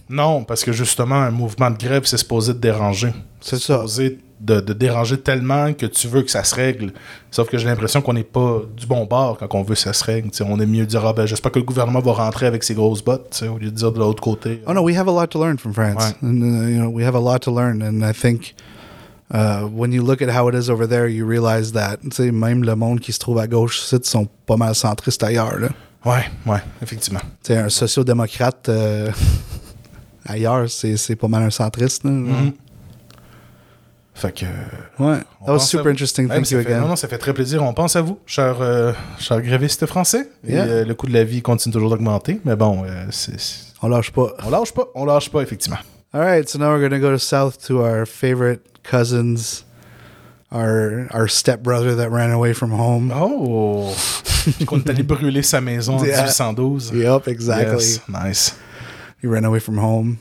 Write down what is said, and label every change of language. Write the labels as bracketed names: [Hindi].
[French] Non, parce que justement, un mouvement de grève, c'est supposé te déranger. C'est ça. Supposé de déranger tellement que tu veux que ça se règle. Sauf que j'ai l'impression qu'on n'est pas du bon bord quand on veut que ça se règle. T'sais, on est mieux de dire, ah, ben, j'espère que le gouvernement va rentrer avec ses grosses bottes, au lieu de dire de l'autre côté. [English] Oh non, we have a lot to learn from France. [French] Ouais. [English] And, you know, we have a lot to learn, and I think... [French] when you look at how it is over there, you realize that, tu sais, même le monde qui se trouve à gauche, c'est sont pas mal centristes ailleurs, là. Ouais, ouais, effectivement. Tu sais, un sociodémocrate ailleurs, c'est pas mal un centriste, là. Mm-hmm. Fait que... [English] Ouais, that was super interesting, thank you again. [French] Non, non, ça fait très plaisir, on pense à vous, cher gréviste français. [English] Yeah. [French] Et le coût de la vie continue toujours d'augmenter, mais bon, c'est... On lâche pas, effectivement. [English] All right, so now we're gonna go to south to our favorite... cousins, our stepbrother that ran away from home. [French] Oh! Qu'on est allé brûler sa maison en 1812. [English] Yep, exactly. Yes, nice. He ran away from home.